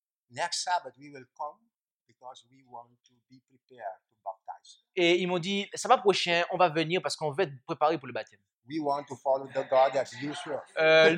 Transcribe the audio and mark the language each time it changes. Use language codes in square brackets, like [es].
[en] Next Sabbath, we will come because we want to be prepared to baptize. [fr] Et ils m'ont dit, sabbat prochain, on va venir parce qu'on veut être préparé pour le baptême. [en] We want to follow the God that you serve.